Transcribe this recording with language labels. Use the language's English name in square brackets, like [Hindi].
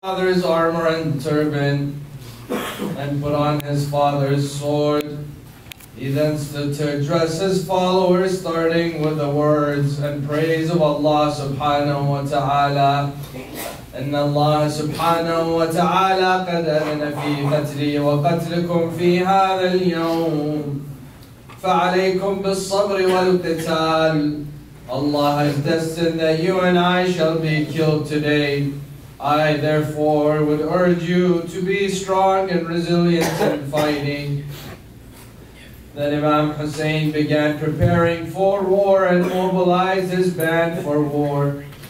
[English] father's armor and turban and put on his father's sword. He then stood to address his followers, starting with the words and praise of Allah subhanahu wa ta'ala. [Arabic] إن الله سبحانه وتعالى قد أذن في قتلي وقتلكم في هذا اليوم فعليكم بالصبر والقتال. [English] Allah has destined that you and I shall be killed today. I therefore would urge you to be strong and resilient in fighting. Then Imam Hussein began preparing for war and mobilized his band for war.